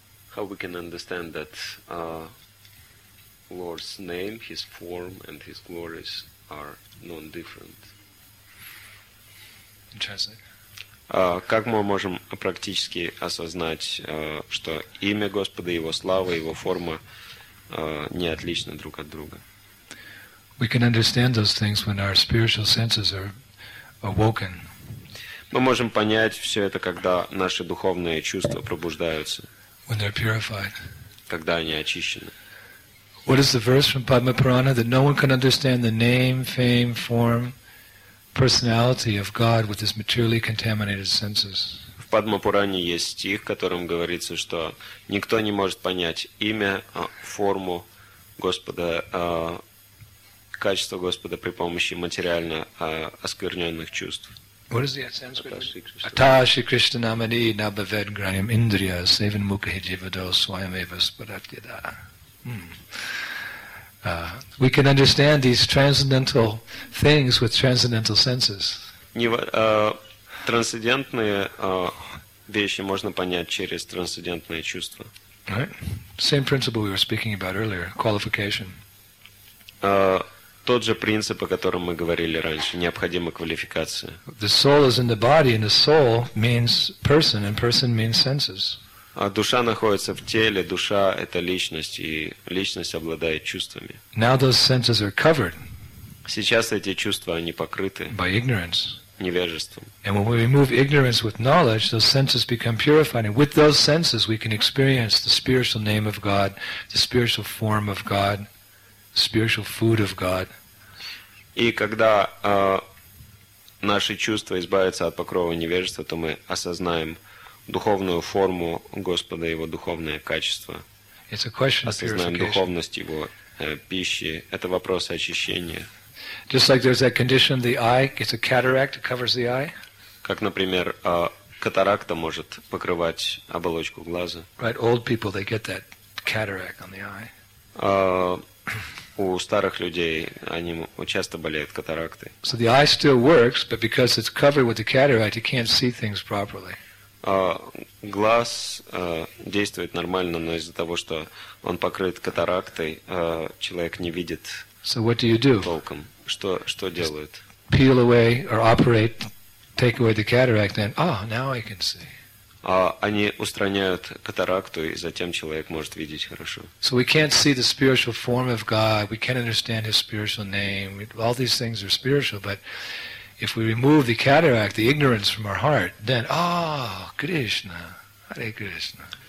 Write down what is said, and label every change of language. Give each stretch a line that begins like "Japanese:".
English: How we can understand that Lord's name, His form, and His glories are non-different. Interesting.
Russian: Как мы можем практически осознать, что имя Господа, Его слава, Его форма не отличны друг от друга?
English: We can understand those things when our spiritual senses are awoken.
Russian: Мы можем понять все это, когда наши духовные чувства пробуждаются.
English: When they're purified.
Russian: Когда они очищены.
English: What is the verse from Padma Purana that no one can understand the name, fame, form personality of God with his materially contaminated senses.
Russian: В Падмапуране есть стих, в котором говорится, что никто не может понять имя, форму Господа, качество Господа при помощи материально оскверненных чувств.
English: What is the Sanskrit?
Sanskrit: Atashi Krishna Namani Nabhaved Granyam Indriya Sevan Mukhejivado Swayameva Spadatyada.
English: We can understand these transcendental things with transcendental senses.
Russian: Трансцендентные вещи можно понять через трансцендентные чувства.
English: Same principle we were speaking about earlier, qualification.
Russian: Тот же принцип, о котором мы говорили раньше, необходима квалификация.
English: The soul is in the body, and the soul means person, and person means senses.
Russian: А душа находится в теле, душа — это личность, и личность обладает чувствами.
English: Now those senses are covered.
Russian: Сейчас эти чувства, они покрыты.
English: By ignorance.
Russian: Невежеством.
English: And when we remove ignorance with knowledge, those senses become purified. And with those senses, we can experience the spiritual name of God, the spiritual form of God. Spiritual food of God.
Russian: И когда наши чувства избавятся от покрова невежества, то мы осознаем духовную форму Господа, Его духовное качество.
English: It's a question of purification.
Russian: Осознаем духовность Его пищи. Это вопрос очищения.
English: Just like there's that condition, the eye, it's a cataract, it covers the eye.
Russian: Как, например, катаракта может покрывать оболочку глаза.
English: Right, old people, they get that cataract on the eye.
Russian: У старых людей они часто болеют катарактой.
English: So the eye still works, but because it's covered with the cataract, you can't see things properly.
Russian: Глаз действует нормально, но из-за того, что он покрыт катарактой, человек не видит.
English: So what do you do?
Russian: Толком. Что делают?
English: Peel away or operate, take away the cataract, and now I can see.
Russian: Они устраняют катаракту, и затем человек может видеть хорошо.
English: So we can't see the spiritual form of God, we can't understand His spiritual name, all these things are spiritual, but if we remove the cataract, the ignorance from our heart, then, Krishna, Hare Krishna.